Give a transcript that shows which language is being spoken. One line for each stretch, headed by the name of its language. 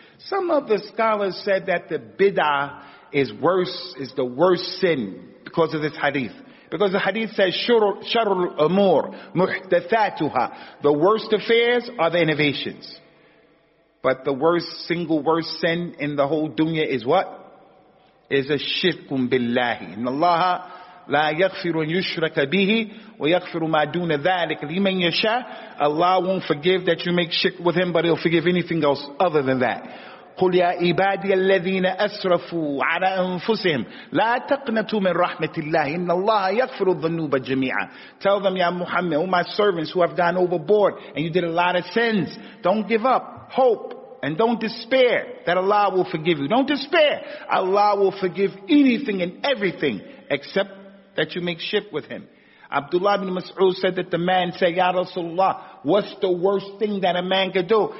English: Some of the scholars said that the bid'ah is worse, is the worst sin because of this hadith. Because the hadith says
Arabic: sharul amur muhdathatuha,
English: the worst affairs are the innovations. But the worst, single worst sin in the whole dunya is what? Is a shirkum billahi.
Arabic: In Allah لا يغفر أن يشرك به ويغفر ما دون ذلك لمن يشاء.
English: Allah won't forgive that you make shirk with him, but he'll forgive anything else other than that.
Arabic: قل يا عبادي الذين أسرفوا على أنفسهم لا تقنطوا من رحمة الله إن الله يغفر الذنوب جميعا.
English: Tell them, يا محمد, oh my servants who have gone overboard and you did a lot of sins, don't give up hope and don't despair that Allah will forgive you. Don't despair. Allah will forgive anything and everything except that you make shirk with him. Abdullah ibn Mas'ud said that the man said, Ya Rasulullah, what's the worst thing that a man could do?